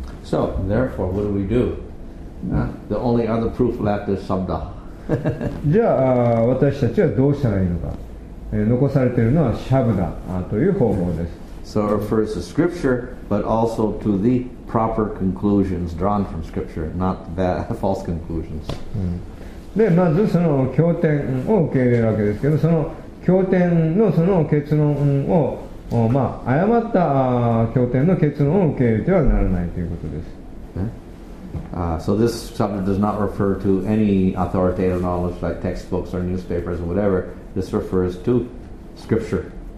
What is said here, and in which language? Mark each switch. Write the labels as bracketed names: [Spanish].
[English] So therefore what do we do? The only other proof left is sabda. [Japanese] じゃあ私たちはどうしたらいいのか。残されているのはシャブダという方法です。 [English] So it refers to scripture, but also to the proper conclusions drawn from scripture, not the false conclusions. [Japanese] で、まずその経典を受け入れるわけですけど、その経典のその結論を、まあ、誤った経典の結論を受け入れてはならないということです。 [English] So this chapter does not refer to any authoritative knowledge like textbooks or newspapers or whatever. This refers to scripture.